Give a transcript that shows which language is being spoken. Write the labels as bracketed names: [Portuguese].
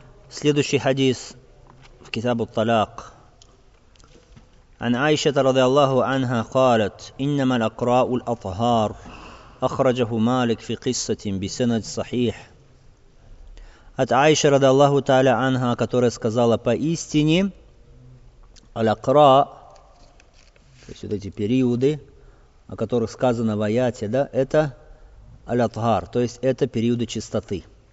[Russian] Следующий хадис в Китабу Талак. [Arabic] عن عائشة رضي الله عنها قالت إنما الأقراء الأطهار أخرجه مالك في قصة بسند صحيح. [Russian] От عائشة [Arabic] رضي الله تعالى عنها, [Russian] которая сказала, поистине الأقراء, то есть вот эти периоды, о которых сказано в аяте, да, это الأطهار, то есть это периоды чистоты.